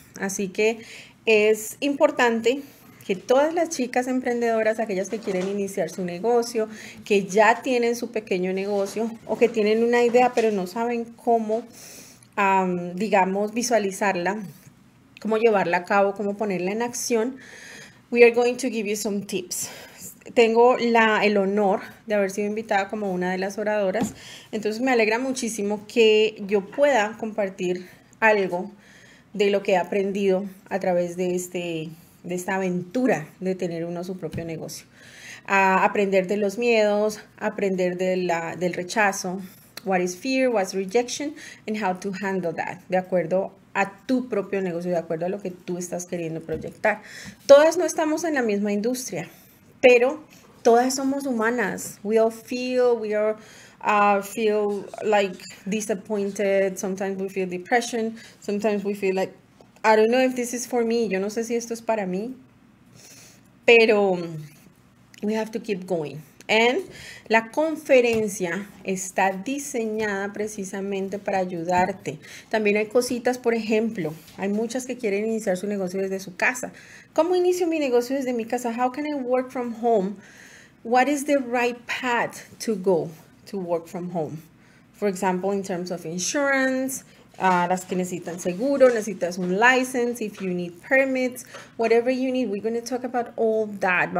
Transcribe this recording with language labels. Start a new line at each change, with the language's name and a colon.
Spanish: Así que es importante que todas las chicas emprendedoras, aquellas que quieren iniciar su negocio, que ya tienen su pequeño negocio o que tienen una idea, pero no saben cómo, digamos, visualizarla, cómo llevarla a cabo, cómo ponerla en acción.
English: We are going to give you some tips.
Spanish: Tengo el honor de haber sido invitada como una de las oradoras. Entonces me alegra muchísimo que yo pueda compartir algo de lo que he aprendido a través de de esta aventura de tener uno su propio negocio. A aprender de los miedos, aprender del rechazo.
English: What is fear, what's rejection, and how to handle that,
Spanish: de acuerdo a tu propio negocio, de acuerdo a lo que tú estás queriendo proyectar. Todas no estamos en la misma industria, pero todas somos humanas.
English: We all feel, feel like disappointed. Sometimes we feel depression. Sometimes we feel like, I don't know if this is for me.
Spanish: Yo no sé si esto es para mí,
English: pero we have to keep going.
Spanish: And la conferencia está diseñada precisamente para ayudarte. También hay cositas, por ejemplo, hay muchas que quieren iniciar su negocio desde su casa. ¿Cómo inicio mi negocio desde mi casa?
English: How can I work from home? What is the right path to go to work from home? For example, in terms of insurance,
Spanish: las que necesitan seguro, necesitas un
English: license, if you need permits, whatever you need, we're going to talk about all that.